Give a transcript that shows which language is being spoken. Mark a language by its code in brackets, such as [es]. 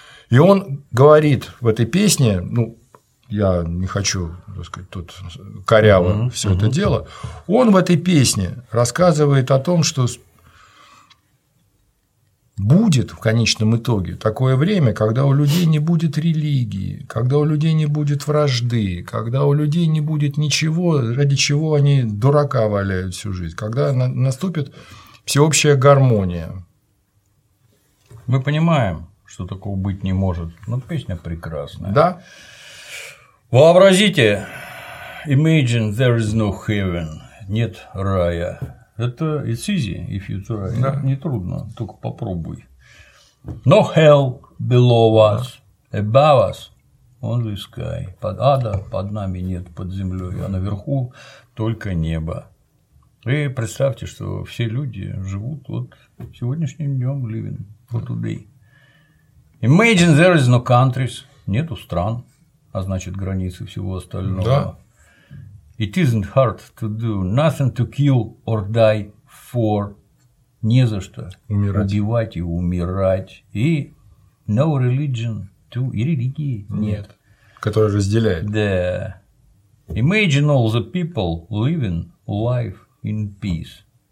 [ru] И он говорит в этой песне, ну, я не хочу, так сказать, тут коряво все это дело, он в этой песне рассказывает о том, что будет в конечном итоге такое время, когда у людей не будет религии, когда у людей не будет вражды, когда у людей не будет ничего, ради чего они дурака валяют всю жизнь, когда наступит всеобщая гармония. Мы понимаем, что такого быть не может, но песня прекрасная. Да. Вообразите, [en] imagine there is no heaven, [ru] нет рая. [en] Это it's easy, if you try, да. [ru] Нетрудно, только попробуй. [en] No hell below us, да. Above us only sky, [ru] под ада под нами нет, под землей, а наверху только небо. И представьте, что все люди живут вот сегодняшним днем [en] living for today. Imagine there is no countries, [ru] нету стран, а значит границы всего остального. Да. [en] It isn't hard to do, nothing to kill or die for, [ru] не за что умирать. Убивать и умирать, и [en] no religion to, [ru] и религии нет. Которая разделяет. Да. [en] Imagine all the people living life in peace.